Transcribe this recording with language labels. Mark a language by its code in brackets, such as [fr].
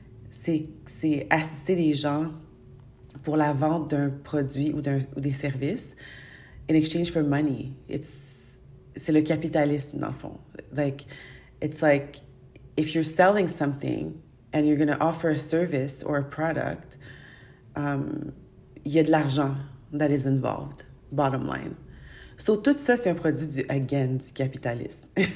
[fr] C'est assister des gens pour la vente d'un produit ou des services [en] in exchange for money. [fr] C'est le capitalisme, dans le fond. [en] Like, it's like, if you're selling something and you're going to offer a service or a product, [fr] il y a de l'argent [en] that is involved, bottom line. [fr] So, tout ça, c'est un produit du, again, du capitalisme.